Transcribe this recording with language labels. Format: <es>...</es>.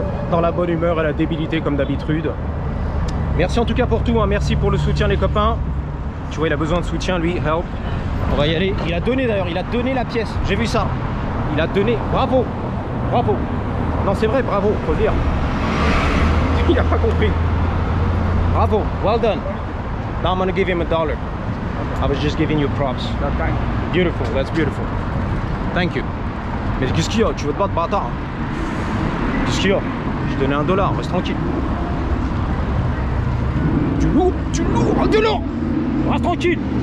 <fr>Dans la bonne humeur et la débilité, comme d'habitude. Merci en tout cas pour tout, hein. Merci pour le soutien, les copains. Tu vois, il a besoin de soutien, lui. Help. On va y aller. Il a donné, d'ailleurs, il a donné la pièce. J'ai vu ça. Il a donné. Bravo. Bravo. Non, c'est vrai, bravo, faut le dire. Il a pas compris. Bravo,</fr> <en>well done. Now I'm gonna give him a dollar. I was just giving you props. Okay. Beautiful, that's beautiful. Thank you.</en> <fr>Mais qu'est-ce qu'il y a? Tu veux te battre, bâtard? Qu'est-ce qu'il y a? J'ai donné un dollar, reste tranquille. Du lourd, du lourd, du lourd. Reste tranquille.</fr>